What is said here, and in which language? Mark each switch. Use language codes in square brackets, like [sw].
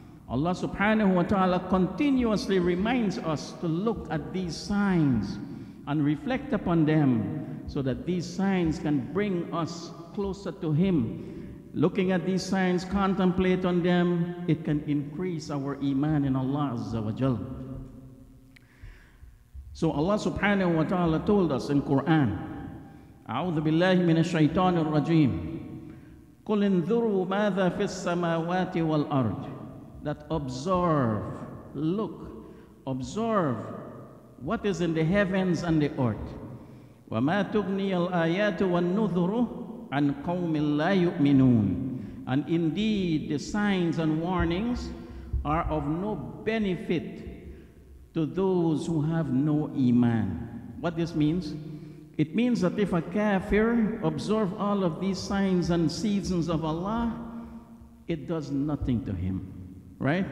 [en] Allah subhanahu wa ta'ala continuously reminds us to look at these signs and reflect upon them so that these signs can bring us closer to Him. Looking at these signs, contemplate on them, it can increase our iman in Allah Azza wa Jal. [ar] So Allah subhanahu wa ta'ala told us in Quran, أعوذ بالله من الشيطان الرجيم قل انذروا ماذا في السماوات والأرض. [en] That observe, look, observe what is in the heavens and the earth. [ar] وما تغني الآيات والنذر عن قوم لا يؤمنون. [en] And indeed the signs and warnings are of no benefit to those who have no iman. What this means? It means that if a kafir observes all of these signs and seasons of Allah, it does nothing to him, right?